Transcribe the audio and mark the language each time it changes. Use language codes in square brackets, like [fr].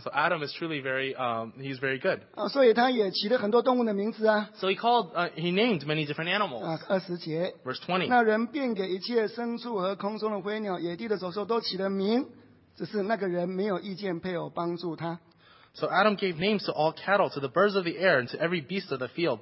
[en] So Adam is truly very, he's very good. [zh] 所以他也起了很多动物的名字啊。 [en] So he called, he named many different animals. [zh] 二十节。 [en] Verse 20. [zh] 那人便给一切牲畜和空中的飞鸟、野地的走兽都起了名，只是那个人没有意见配偶帮助他。 [en] So Adam gave names to all cattle, to the birds of the air, and to every beast of the field.